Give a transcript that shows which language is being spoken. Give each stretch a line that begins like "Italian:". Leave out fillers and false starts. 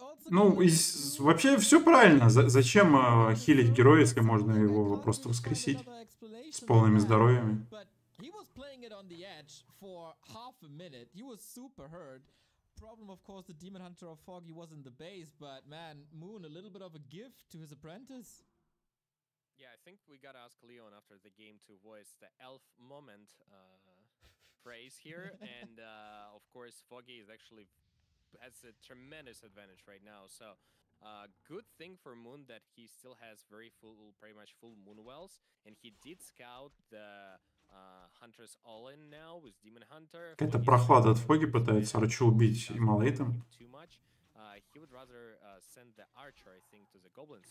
Russian: Ну, вообще все правильно. Зачем хилить героя, если можно его просто воскресить с полными здоровьями?
English: He was playing it on the edge for half a minute. He was super hurt. Problem, of course, the Demon Hunter of Foggy was in the base, but man, Moon, a little bit of a gift to his apprentice. Yeah, I think we gotta ask Leon after the game to voice the elf moment. Praise here, and of course Foggy is actually has a tremendous advantage right now. So, good thing for Moon that he still has very full, pretty much full Moon wells, and he did scout the Hunter's all in now with Demon Hunter.
Russian: Какая-то прохлада от Фоги, пытается Арчу убить и Малейтом.
English: He would rather send the Archer, I think, to the Goblins.